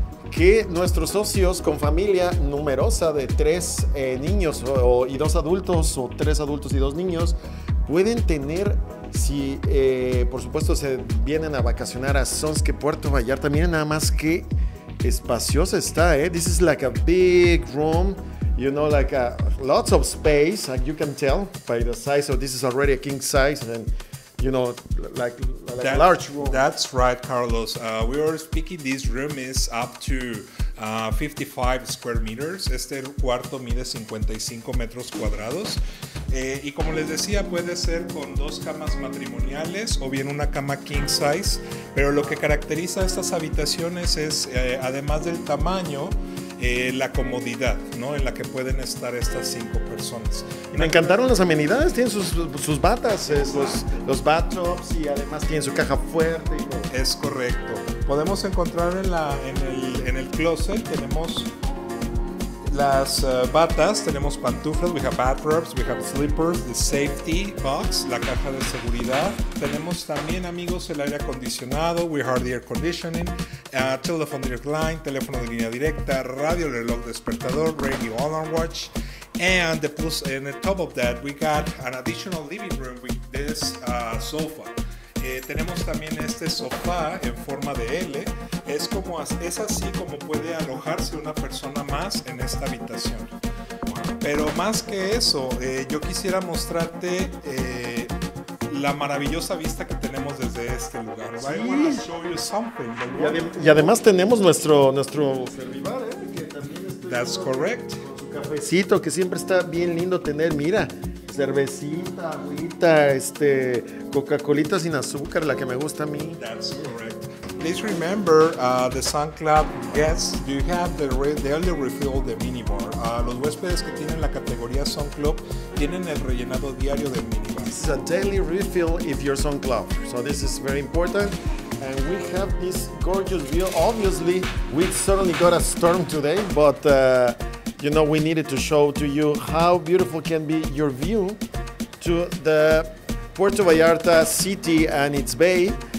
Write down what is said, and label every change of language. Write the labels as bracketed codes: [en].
[es] Que nuestros socios con familia numerosa de tres niños y dos adultos o tres adultos y dos niños pueden tener si por supuesto se vienen a vacacionar a Sonske Puerto Vallarta. Miren nada más qué espaciosa está, [en] This is like a big room, you know, like a lots of space, like you can tell by the size of this is already a king size and, you know, like that, large room. That's right, Carlos. We are speaking, this room is up to 55 square meters. [es] Este cuarto mide 55 metros cuadrados. Y como les decía, puede ser con dos camas matrimoniales o bien una cama king size. Pero lo que caracteriza a estas habitaciones es, además del tamaño, la comodidad, ¿no? En la que pueden estar estas cinco personas. Me encantaron las amenidades, tienen sus batas, los bathtubs y además tienen su caja fuerte. Es correcto. Podemos encontrar en el closet, tenemos las batas, tenemos pantuflas, [en] we have bathrobes, we have slippers, the safety box, [es] la caja de seguridad. Tenemos también, amigos, el aire acondicionado, [en] we have the air conditioning, telephone direct line, [es] teléfono de línea directa, radio, reloj, despertador, radio, [en] alarm watch. And the plus, and the top of that, we got an additional living room with this sofa. [es] Tenemos también este sofá en forma de L. Es así como puede alojarse una persona más en esta habitación. Pero más que eso, yo quisiera mostrarte la maravillosa vista que tenemos desde este lugar. Sí. [en] I wanna show you something. [es] Y además tenemos nuestro servibar, que también está. [en] That's correct. [es] Cafecito, que siempre está bien lindo tener, mira, cervecita, agüita, Coca-Colita sin azúcar, la que me gusta a mí. [en] That's correct. Please remember the Sun Club guests, you have the they only refill the minibar. [es] Los huéspedes que tienen la categoría Sun Club tienen el rellenado diario del minibar. [en] It's a daily refill if you're Sun Club. So this is very important. And we have this gorgeous view. Obviously, we certainly got a storm today, but you know, we needed to show to you how beautiful can be your view to the Puerto Vallarta city and its bay.